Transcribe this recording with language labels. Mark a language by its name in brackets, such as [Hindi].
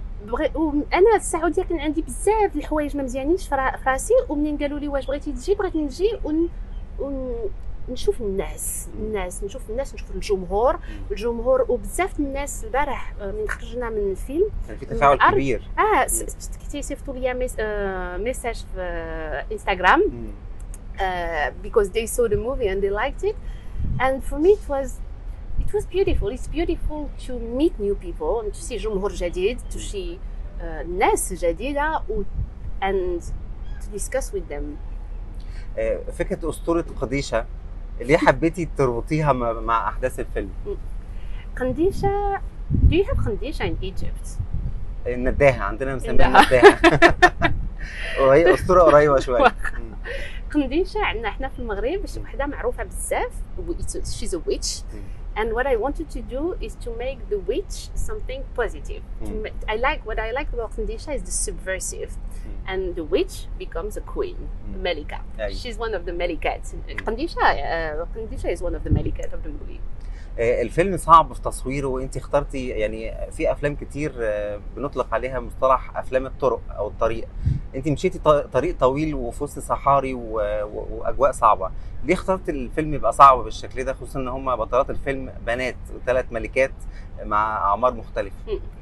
[Arabic] وانا السعوديه كان عندي بزاف الحوايج ما مزيانينش فراسي، ومنين قالوا لي واش بغيتي تجي، بغيت نجي ونشوف الناس نشوف الجمهور وبزاف الناس. البارح من خرجنا من الفيلم كان في تفاعل كبير. كيصيفطوا لي ميساج في انستغرام [English] because they saw the movie and they liked it, and for me it was beautiful. It's beautiful to meet new people and to see [Arabic] جمهور جديد, [English] to see [Arabic] ناس جديدة [English] and to discuss with them. [Arabic] فكرة أسطورة قديشة اللي حبيتي تربطيها مع أحداث الفيلم؟ [English] قديشة, do you have قديشة in Egypt? [Arabic] نداها, عندنا مسميها نداها. وهي أسطورة قريبة شوية. قديشة عندنا احنا في المغرب شي وحدة معروفة بزاف, [English] she's a witch. And what I wanted to do is to make the witch something positive. What I like about Qandisha is the subversive. And the witch becomes a queen, Malika. She's one of the Malikat. Qandisha is one of the Malikat of the movie. [Arabic] الفيلم صعب في تصويره, وانت اخترتي, يعني في افلام كتير بنطلق عليها مصطلح افلام الطرق او الطريق, انت مشيتي طريق طويل وفي وسط صحاري واجواء صعبه, ليه اخترت الفيلم يبقى صعب بالشكل ده, خصوصا ان هما بطلات الفيلم بنات وثلاث ملكات مع اعمار مختلفه؟